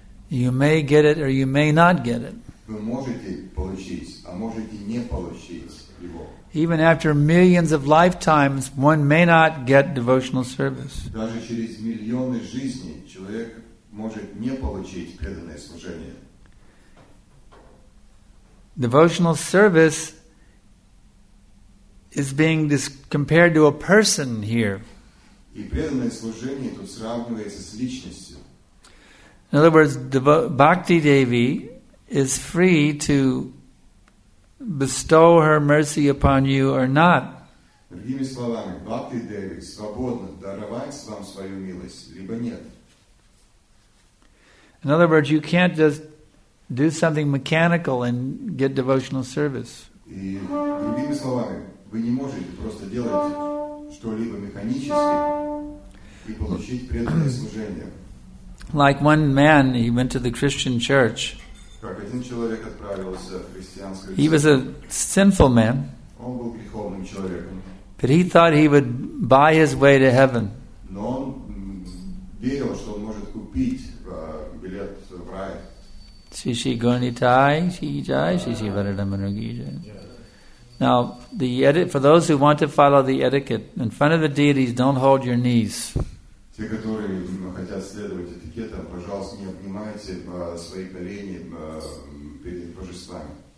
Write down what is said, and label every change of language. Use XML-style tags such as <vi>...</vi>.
<en>You may get it or you may not get it.</en> <ru>Вы можете получить, а можете не получить его.</ru> <en>Even after millions of lifetimes, one may not get devotional service.</en> <ru>Даже через миллионы жизней человек может не получить преданное служение.</ru> <en>Devotional service is being compared to a person here.</en> <ru>И преданное служение тут сравнивается с личностью.</ru> <en>In other words, Bhakti Devi is free to bestow her mercy upon you or not.</en> <ru>Другими словами, Бхакти Деви свободна даровать вам свою милость, либо нет.</ru> <en>In other words, you can't just do something mechanical and get devotional service.</en> <ru>И другими словами, вы не можете просто делать что-либо механически и получить преданное служение.</ru> <en>Like one man, he went to the Christian church.</en> <ru>Как один человек отправился в христианскую церковь.</ru> <en>He was a sinful man.</en> <ru>Он был греховным человеком.</ru> <en>But he thought he would buy his way to heaven.</en> <ru>Но он верил, что он может купить билет в рай. Shishi Gunitai, Shijai, Shishi Varadamanugija.</ru> <en>Now, for those who want to follow the etiquette, in front of the deities, don't hold your knees.</en> <ru>Те, которые хотят следовать этикетам, пожалуйста, не обнимайте свои колени перед божествами.</ru>